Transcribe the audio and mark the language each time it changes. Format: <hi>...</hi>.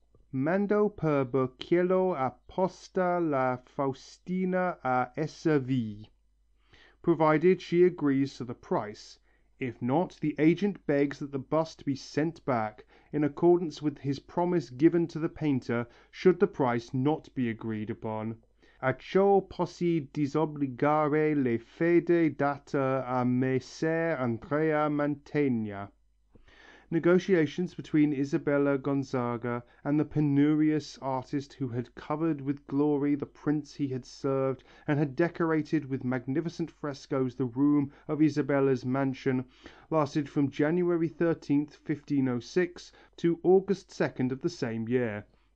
<it>Mando per burchiello apposta la Faustina a SV,</it> <en>provided she agrees to the price. If not, the agent begs that the bust be sent back in accordance with his promise given to the painter should the price not be agreed upon.</en> <it>A ciò possi disobbligare le fede data a Messer Andrea Mantegna."</it> <en>Negotiations between Isabella Gonzaga and the penurious artist who had covered with glory the prince he had served and had decorated with magnificent frescoes the room of Isabella's mansion lasted from January 13, 1506 to August 2nd of the same year.</en>